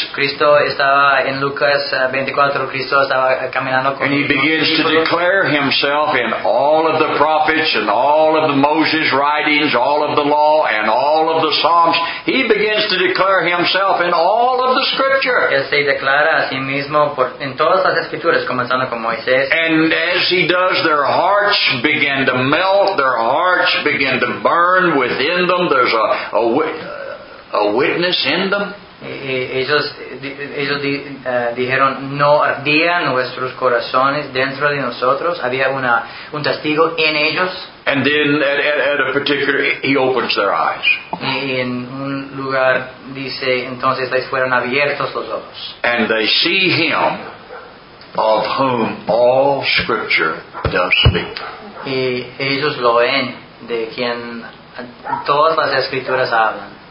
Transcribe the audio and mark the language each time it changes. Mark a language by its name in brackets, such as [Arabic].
[Spanish] Cristo estaba en Lucas 24. Cristo estaba caminando con. [English] And he begins to declare himself in all of the prophets and all of the Moses writings, all of the law and all of the Psalms. He begins to declare himself in all of the Scripture. [Spanish] Él se declara a sí mismo en todas las escrituras, comenzando con Moisés. [English] And as he does, their hearts begin to melt. Their hearts begin to burn within them. There's a witness in them. [Spanish] Ellos dijeron, no ardían nuestros corazones dentro de nosotros. Había un testigo en ellos. [English] And then at a particular, he opens their eyes. [Spanish] Y en un lugar dice, entonces les fueron abiertos los ojos. [English] And they see him of whom all scripture does speak. [Spanish] Y ellos lo ven, de quien todas las escrituras hablan.